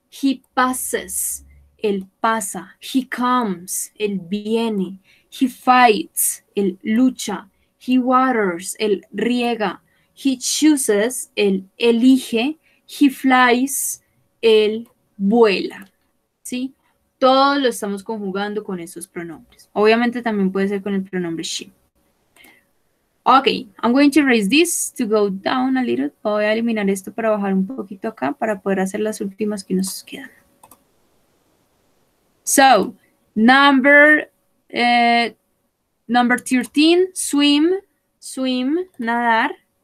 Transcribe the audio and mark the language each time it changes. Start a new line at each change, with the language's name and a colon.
English: he passes,
Spanish: él pasa,
English: he comes,
Spanish: él viene,
English: he fights,
Spanish: él lucha,
English: he waters,
Spanish: él riega,
English: he chooses,
Spanish: él elige,
English: he flies,
Spanish: él vuela, ¿sí? Todo lo estamos conjugando con esos pronombres. Obviamente también puede ser con el pronombre she.
English: Okay, I'm going to raise this to go down a little.
Spanish: Voy a eliminar esto para bajar un poquito acá para poder hacer las últimas que nos quedan.
English: So, number 13, swim, nadar.